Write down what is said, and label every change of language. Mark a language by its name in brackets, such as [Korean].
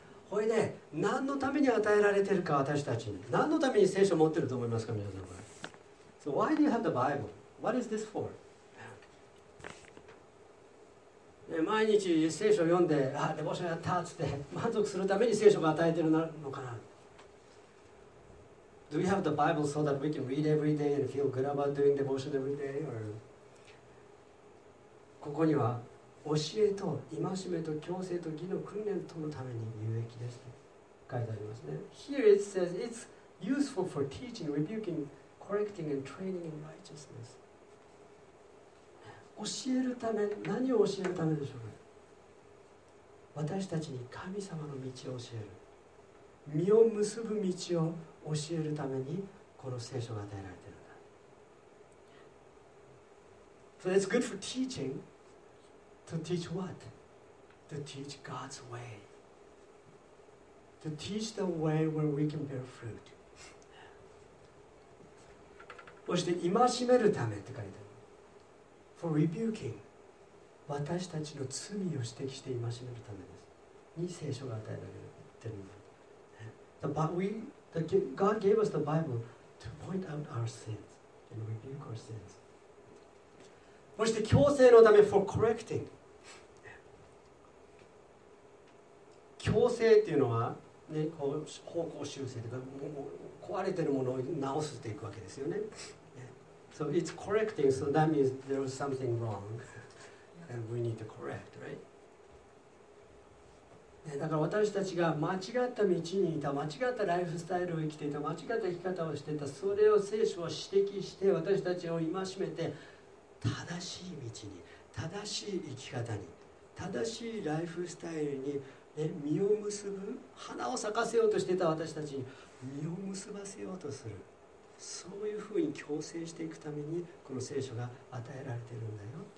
[Japanese] これね、何のために与えられてるか、私たちに。何のために聖書を持ってると思いますか、皆さん。 [English] So why do you have the Bible? What is this for? [Japanese] 毎日聖書を読んで、あ、デボーションやったっつって、満足するために聖書が与えてるのかな。 [English] Do we have the Bible so that we can read every day and feel good about doing devotion every day? Or... [Japanese] ここには教えと戒めと強制と義の訓練とのために有益ですと書いてありますね。 [English] Here it says it's useful for teaching, rebuking, correcting, and training in righteousness. [Japanese] 教えるため、何を教えるためでしょうか。私たちに神様の道を教える。実を結ぶ道を教えるためにこの聖書が与えられているんだ。 [English] So it's good for teaching. To teach what? To teach God's way. To teach the way where we can bear fruit. [Japanese] そして戒めるためって書いてある。 [English] For rebuking. [Japanese] 私たちの罪を指摘して戒めるためです。に聖書が与えられてるんだ。 [English] God gave us the Bible to point out our sins and rebuke our sins. [Japanese] そして矯正のため [English] for correcting. [Japanese] 矯正っていうのは、ね、こう方向修正とか、もう壊れてるものを直すっていくわけですよね。 [English] So it's correcting, so that means there was something wrong and we need to correct, right? [Japanese] だから私たちが間違った道にいた、間違ったライフスタイルを生きていた、間違った生き方をしていた、それを聖書は指摘して私たちを戒めて、正しい道に、正しい生き方に、正しいライフスタイルに、ね、実を結ぶ、花を咲かせようとしていた私たちに実を結ばせようとする、そういうふうに矯正していくためにこの聖書が与えられているんだよ。